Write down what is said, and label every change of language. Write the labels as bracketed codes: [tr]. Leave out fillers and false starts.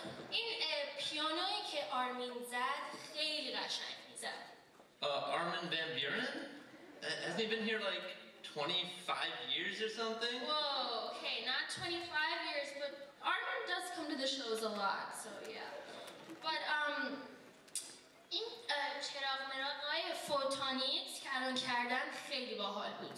[fa] این پیانویی که آرمین زد خیلی قشنگ میزد. [en] Armin van Buuren? Hasn't he been here like 25 years or something? Whoa, okay, not 25 years, but Armin does come to the shows a lot, so yeah. [fa] But این چراغ مراغای فوتونیکس که الان کردن خیلی باحال بود.